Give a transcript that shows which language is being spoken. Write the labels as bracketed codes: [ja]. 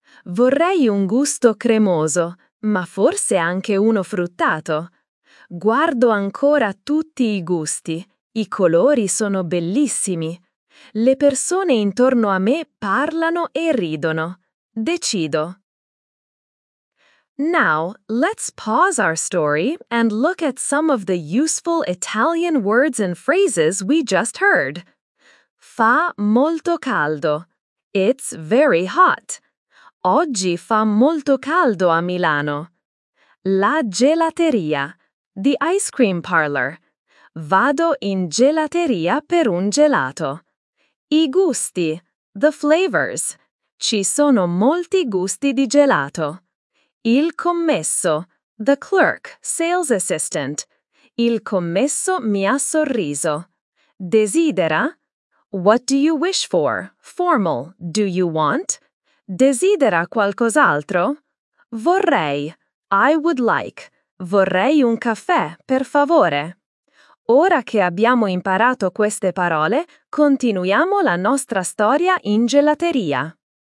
[it] Vorrei un gusto cremoso, ma forse anche uno fruttato. Guardo ancora tutti i gusti. I colori sono bellissimi. Le persone intorno a me parlano e ridono. Decido. [en] Now, let's pause our story and look at some of the useful Italian words and phrases we just heard. [it] Fa molto caldo. [en] It's very hot. [it] Oggi fa molto caldo a Milano. La gelateria. [en] The ice cream parlor. [it] Vado in gelateria per un gelato. I gusti. [en] The flavors. [it] Ci sono molti gusti di gelato. Il commesso. [en] The clerk, sales assistant. [it] Il commesso mi ha sorriso. Desidera? [en] What do you wish for? Formal, do you want? [it] Desidera qualcos'altro? Vorrei. [en] I would like. [it] Vorrei un caffè, per favore. Ora che abbiamo imparato queste parole, continuiamo la nostra storia in gelateria.